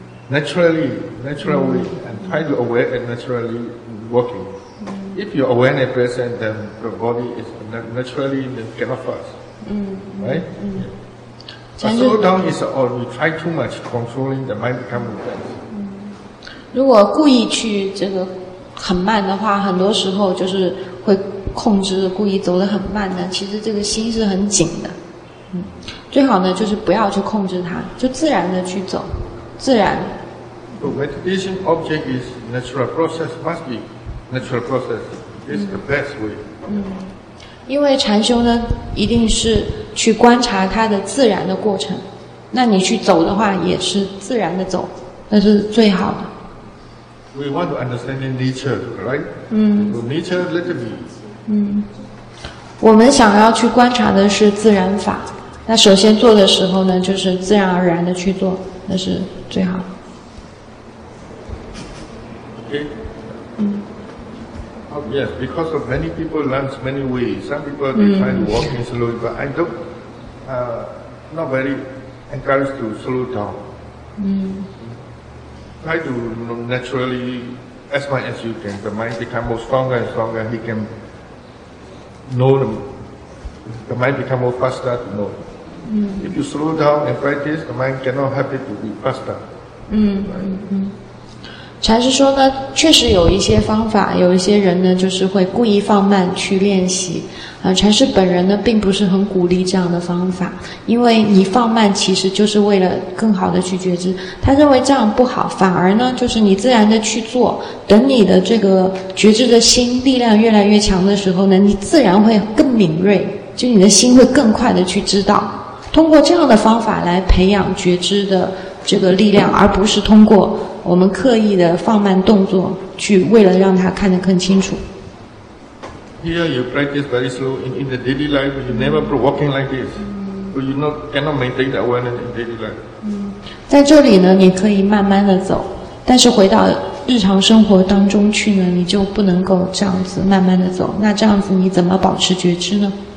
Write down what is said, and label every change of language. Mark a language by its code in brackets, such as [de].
[en] Naturally, and try to aware and naturally working. If you're aware and present, then the body is naturally cannot fast. Right? Yeah. But slow down is all you try too much controlling the mind becomes fast. [zh] 如果故意去这个很慢的话，很多时候就是会控制故意走得很慢的，其实这个心是很紧的。最好呢就是不要去控制它，就自然的去走，自然。 [en] The meditation object is natural process must be. Natural process is the best way. [zh] 因为禅修呢，一定是去观察它的自然的过程。那你去走的话，也是自然的走，那是最好的。 [en] We want to understand nature, right? Nature, let it be. [zh] 我们想要去观察的是自然法。那首先做的时候呢，就是自然而然的去做，那是最好的。 [en] Yes, because of many people learn many ways. Some people they try to walk in slowly, but I don't, not very encouraged to slow down. Try to naturally as much as you can. The mind becomes more stronger and stronger. He can know the mind becomes more faster to know. Mm. If you slow down and practice, the mind cannot help it to be faster. [zh] 禅师说呢，确实有一些方法，有一些人呢，就是会故意放慢去练习。禅师本人呢，并不是很鼓励这样的方法，因为你放慢其实就是为了更好的去觉知。他认为这样不好，反而呢，就是你自然的去做，等你的这个觉知的心力量越来越强的时候呢，你自然会更敏锐，就你的心会更快的去知道。通过这样的方法来培养觉知的这个力量，而不是通过我们刻意的放慢动作去为了让他看得更清楚。 [en] Here you practice very slow in the daily life, you never walking like this, so you not, cannot maintain the awareness in daily life. [zh] 在这里呢，你可以慢慢的走，但是回到日常生活当中去呢，你就不能够这样子慢慢的走，那这样子你怎么保持觉知呢？